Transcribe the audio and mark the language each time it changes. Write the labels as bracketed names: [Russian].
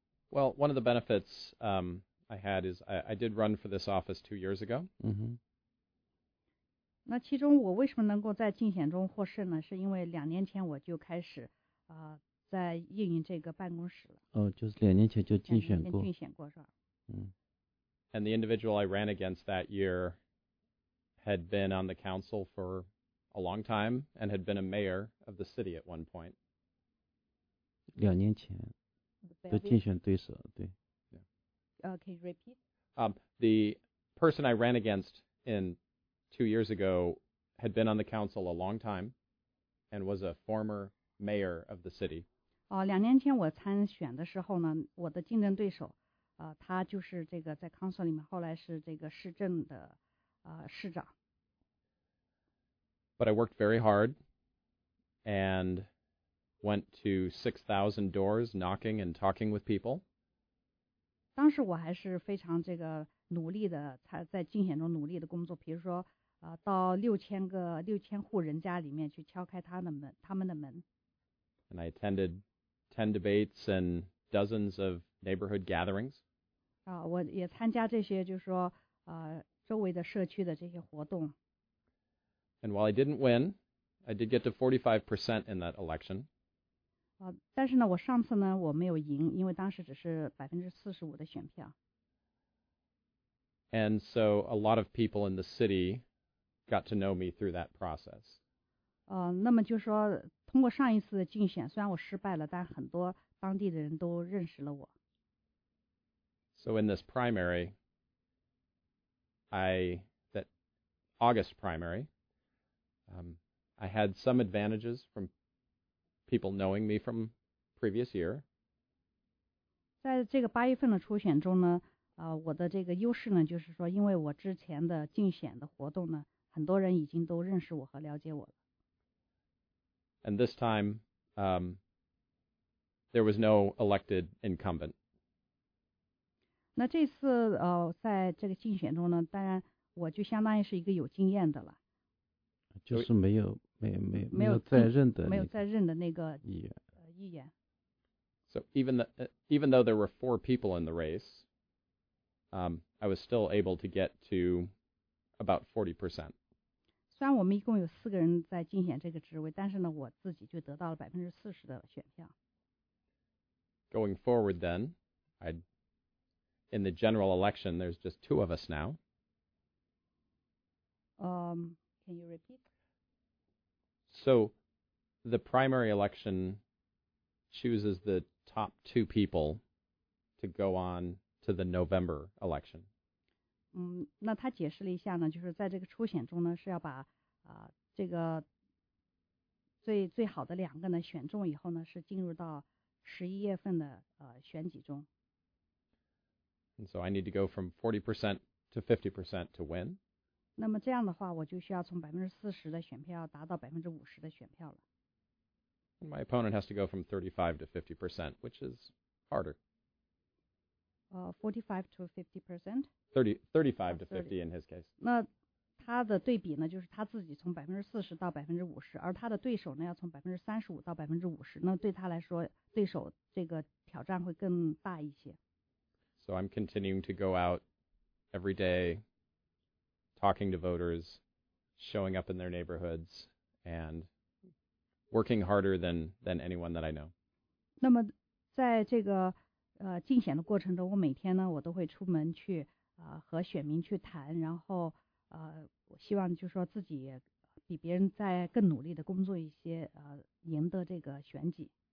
[English] Well, one of the benefits I had is I did run for this office 2 years ago. [Chinese] 那其中我为什么能够在竞选中获胜呢？是因为两年前我就开始在运营这个办公室了。哦，就是两年前就竞选过。竞选过是吧？嗯。 [English] And the individual I ran against that year had been on the council for a long time and had been a mayor of the city at one point. [Chinese] 两年前的竞选对手，对。 [English] Yeah. Can you repeat? The person I ran against in 2 years ago had been on the council a long time and was a former mayor of the city. [Chinese] 两年前我参选的时候呢，我的竞争对手他就是这个在 council 里面，后来是这个市政的市长。 [English] But I worked very hard and went to 6,000 doors knocking and talking with people. [Chinese] 当时我还是非常这个努力的，在竞选中努力的工作，比如说到6000户人家里面去敲开他们的门。 [English] And I attended 10 debates and dozens of neighborhood gatherings. [Chinese] 我也参加这些，就是说周围的社区的这些活动。 [English] And while I didn't win, I did get to 45% in that election. [Chinese] 但是呢，我上次呢，我没有赢，因为当时只是45%的选票。 [English] And so a lot of people in the city got to know me through that process. [Chinese] 那么就是说，通过上一次的竞选，虽然我失败了，但很多当地的人都认识了我。 [English] So in this primary, that August primary,I had some advantages from people knowing me from previous year. [Chinese] 在这个八月份的初选中呢，我的这个优势呢，就是说，因为我之前的竞选的活动呢，很多人已经都认识我和了解我了。 [English] And this time, there was no elected incumbent. [Chinese] 那这次在这个竞选中呢，当然我就相当于是一个有经验的了。就是没有再认的、那个、没有再认的那个议员。 [English] So even though there were 4 people in the race, I was still able to get to about 40%. [Chinese] 虽然我们一共有四个人在竞选这个职位，但是呢，我自己就得到了40%的选票。 [English] Going forward, then, in the general election, there's just 2 of us now. Can you repeat? So, the primary election chooses the top 2 people to go on to the November election. [Chinese] 那他解释了一下呢，就是在这个初选中呢，是要把这个最好的两个呢选中以后呢，是进入到11月份的选举中。 [English] And so I need to go from 40% to 50% to win. [Chinese] 那么这样的话，我就需要从40%的选票达到50%的选票了。 [English] My opponent has to go from 35% to 50%, which is harder. 45% to 50%. 35 to 50 in his case. [Chinese] 那他的对比呢，就是他自己从40%到50%，而他的对手呢要从35%到50%。那对他来说，对手这个挑战会更大一些。 [English] So I'm continuing to go out every day. Talking to voters, showing up in their neighborhoods, and working harder than anyone that I know. [Chinese] 那么在这个竞选的过程中，我每天呢，我都会出门去和选民去谈，然后我希望就是说自己比别人再更努力的工作一些，赢得这个选举。